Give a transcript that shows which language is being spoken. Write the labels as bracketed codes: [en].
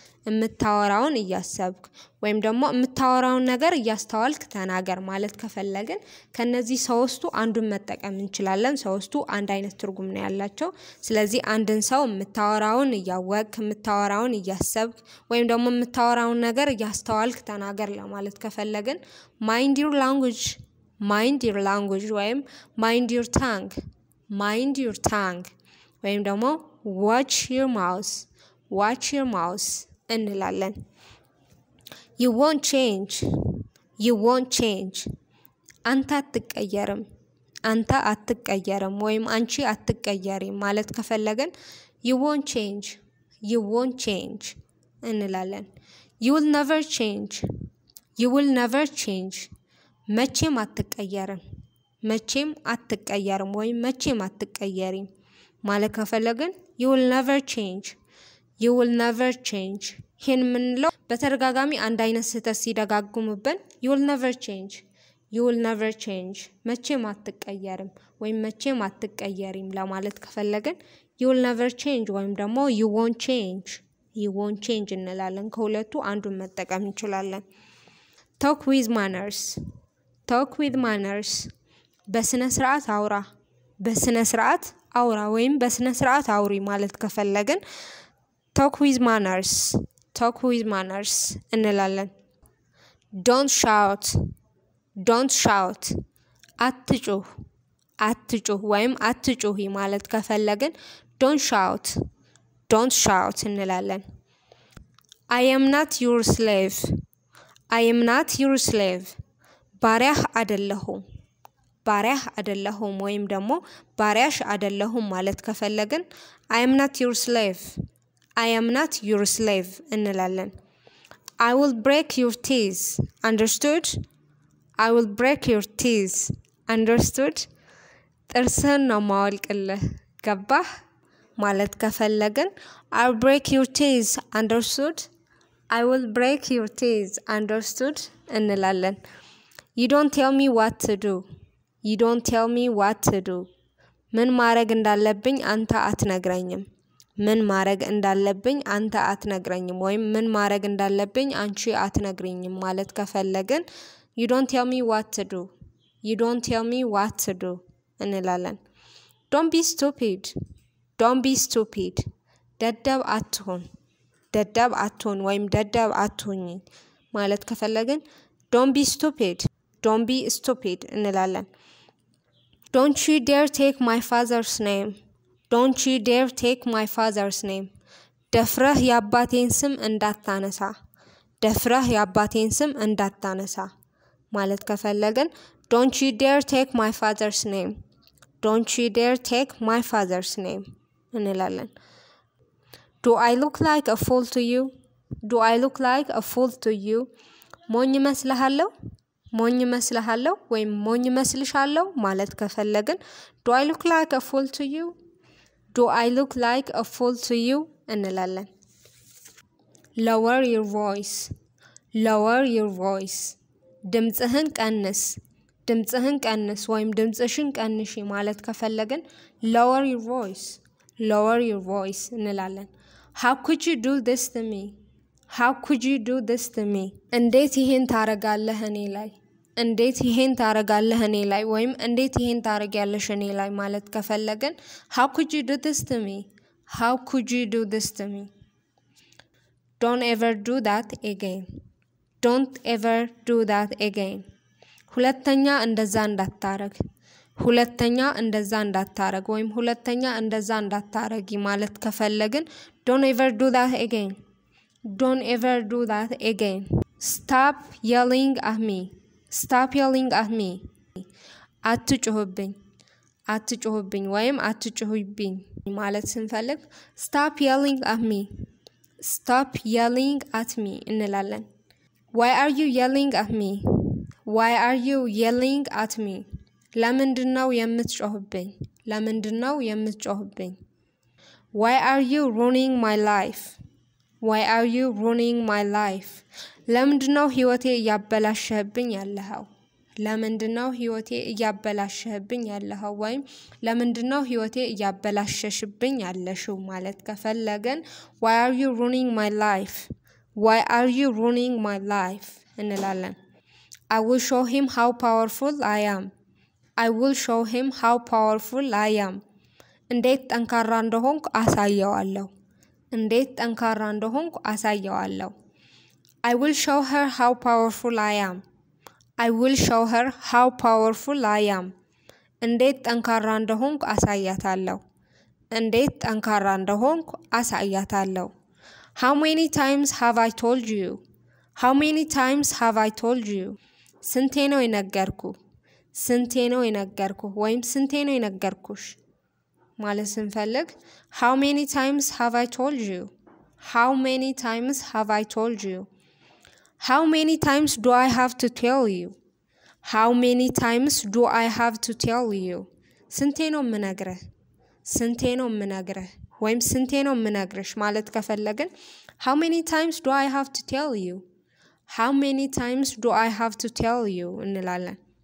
[am] እምታወራውን እያሰብክ ወይም ደግሞ እምታወራውን ነገር እያስተዋልክ ተናገር ማለት ከፈለግን ከነዚህ ሶስቱ አንዱን መጠቀም እንችላለን. ሶስቱ አንድ አይነት ትርጉም ነው ያላቸው. ስለዚህ አንድን ሰው እምታወራውን እያወቅ እምታወራውን እያሰብክ ወይም ደግሞ እምታወራውን ነገር እያስተዋልክ ተናገር ለማለት ከፈለግን [en] mind your language. Mind your language [am] ወይም [en] mind your tongue. Mind your tongue [am] ወይም ደግሞ [en] watch your mouth. Watch your mouth [am] እንላለን. [en] You won't change. You won't change. [am] አንተ አትቀየርም. አንተ አትቀየርም ወይም አንቺ አትቀየሪም ማለት ከፈለግን [en] you won't change. You won't change [am] እንላለን. [en] You will never change. You will never change. [am] መቼም አትቀየርም. መቼም አትቀየርም ወይም መቼም አትቀየሪም ማለት ከፈለግን [en] you will never change. You will never change. [am] ይህን ምንለው በተደጋጋሚ አንድ አይነት ስህተት ሲደጋግሙብን [en] you will never change. You will never change. [am] መቼም አትቀየርም ወይም መቼም አትቀየሪም ለማለት ከፈለግን [en] You will never change [am] ወይም ደግሞ [en] You won't change. You won't change [am] እንላለን ከሁለቱ አንዱን መጠቀም እንችላለን. [en] Talk with manners. Talk with manners. [am] በስነ ስርዓት አውራ. በስነ ስርዓት አውራ ወይም በስነ ስርዓት አውሪ ማለት ከፈለግን Talk with manners. [en] Talk with manners [am] እንላለን. [en] Don't shout. Don't shout. [am] አትጩህ. አትጩህ ወይም አትጩሂ ማለት ከፈለግን [en] Don't shout. Don't shout [am] እንላለን. [en] I am not your slave. I am not your slave. [am] ባሪያህ አይደለሁም. ባሪያህ አይደለሁም ወይም ደግሞ ባሪያሽ አይደለሁም ማለት ከፈለግን [en] I am not your slave. I am not your slave [am] እንላለን. [en] I will break your teeth. Understood? I will break your teeth. Understood? [am] ጥርስህን ነው የማወልቅልህ. ገባህ? ማለት ከፈለግን [en] I will break your teeth. Understood? I will break your teeth. Understood? [am] እንላለን. [en] You don't tell me what to do. You don't tell me what to do. [am] ምን ማረግ እንዳለብኝ አንተ አትነግረኝም. ምን ማረግ እንዳለብኝ አንተ አትነግረኝም ወይም ምን ማረግ እንዳለብኝ አንቺ አትነግሪኝም ማለት ከፈለግን [en] You don't tell me what to do. You don't tell me what to do. [am] እንላለን. [en] Don't be stupid. Don't be stupid. [am] ደደብ አትሁን. ደደብ አትሁን ወይም ደደብ አትሁኝ ማለት ከፈለግን [en] Don't be stupid. Don't be stupid. [am] እንላለን. [en] Don't you dare take my father's name. Don't you dare take my father's name. [am] ደፍረህ የአባቴን ስም እንዳታነሳ. ደፍረህ የአባቴን ስም እንዳታነሳ ማለት ከፈለግን [en] Don't you dare take my father's name. Don't you dare take my father's name. [am] እንላለን. [en] Do I look like a fool to you? Do I look like a fool to you? [am] ሞኝ መስልሃለሁ? ሞኝ መስልሃለሁ ወይም ሞኝ መስልሻለሁ ማለት ከፈለግን [en] Do I look like a fool to you? Do I look like a fool to you? [am] እንላለን. [en] Lower your voice. Lower your voice. [am] ድምጽህን ቀንስ. ድምጽህን ቀንስ ወይም ድምጽሽን ቀንሽ ማለት ከፈለግን [en] Lower your voice. Lower your voice. [am] እንላለን. [en] How could you do this to me? How could you do this to me? [am] እንዴት ይሄን ታረጋለህ እኔ ላይ? እንዴት ይሄን ታረጋለህ እኔ ላይ ወይም እንዴት ይሄን ታረጋለሽ እኔ ላይ ማለት ከፈለግን [en] How could you do this to me? How could you do this to me? Don't ever do that again. Don't ever do that again. [am] ሁለተኛ እንደዛ እንዳታረግ. ሁለተኛ እንደዛ እንዳታረግ ወይም ሁለተኛ እንደዛ እንዳታረጊ ማለት ከፈለግን [en] Don't ever do that again. Don't ever do that again. Stop yelling at me. Stop yelling at me. [am] አትጩህብኝ. አትጩህብኝ ወይም አትጩህብኝ ማለት ስንፈልግ [en] Stop yelling at me. Stop yelling at me [am] እንላለን. [en] Why are you yelling at me? Why are you yelling at me? [am] ለምንድን ነው የምትጮህብኝ? ለምንድን ነው የምትጮህብኝ? [en] Why are you ruining my life? Why are you ruining my life? [am] ለምንድን ነው ህይወቴ እያበላሸህብኝ ያለኸው? ለምንድን ነው ህይወቴ እያበላሸህብኝ ያለኸው ወይም ለምንድን ነው ህይወቴ እያበላሸሽብኝ ያለሽው ማለት ከፈለግን [en] Why are you ruining my life? Why are you ruining my life? [am] እንላለን. [en] I will show him how powerful I am. I will show him how powerful I am. [am] እንዴት ጠንካራ እንደሆንኩ አሳየዋለሁ. እንዴት ጠንካራ እንደሆንኩ አሳየዋለሁ. [en] I will show her how powerful I am. I will show her how powerful I am. [am] እንዴት ጠንካራ እንደሆንኩ አሳያታለሁ. እንዴት ጠንካራ እንደሆንኩ አሳያታለሁ. [en] How many times have I told you? How many times have I told you? [am] ስንቴ ነው የነገርኩ? ስንቴ ነው የነገርኩ ወይም ስንቴ ነው የነገርኩሽ ማለት ስንፈልግ [en] How many times have I told you? How many times have I told you? How many times do I have to tell you? How many times do I have to tell you? [am] ስንቴ ነው የምነግርህ? ስንቴ ነው የምነግርህ ወይም ስንቴ ነው የምነግርሽ ማለት ከፈለግን [en] How many times do I have to tell you? How many times do I have to tell you? [am] እንላለን.